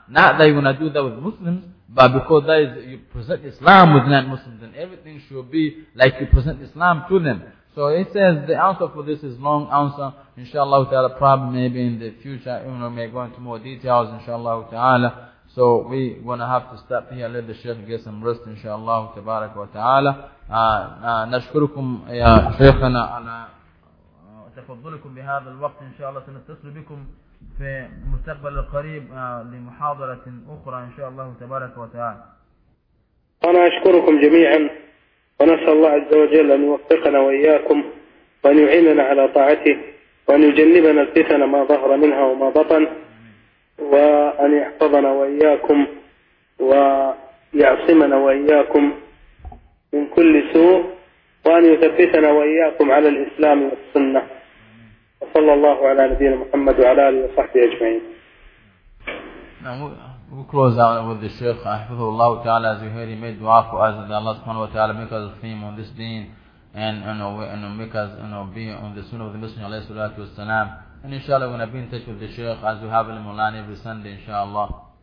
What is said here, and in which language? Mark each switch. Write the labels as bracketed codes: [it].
[en] Not that you're going to do that with Muslims, but because that is, you present Islam with non-Muslims, and everything should be like you present Islam to them. So it says the answer for this is long answer. Inshallah ta'ala, probably maybe in the future, you know, may go into more details, inshallah ta'ala. So we're going to have to stop here. Let the Shaykh get some rest, inshallah tabarak wa ta'ala. [ar] نشكركم يا شيخنا على تفضلكم بهذا الوقت إن شاء الله سنتصل بكم في المستقبل القريب لمحاضرة أخرى إن شاء الله تبارك وتعالى. أنا أشكركم جميعا ونسأل الله عز وجل أن يوفقنا وإياكم وأن يعيننا على طاعته وأن يجنبنا الفتن ما ظهر منها وما بطن وأن يحفظنا وإياكم ويعصمنا وإياكم من كل سوء وأن يثبتنا وإياكم على الإسلام والسنة وصلى الله على نبينا محمد وعلى آله وصحبه أجمعين. نعم. [en] We close out with the Shaykh [ar] حفظه الله تعالى. [en] As you heard, he made dua for us that Allah subhanahu wa ta'ala make us a theme on this deen and make us be on the sunnah of the Messenger alayhi salatu wasalam. And inshallah we're going to be in touch with the Shaykh as we have him online every Sunday inshallah.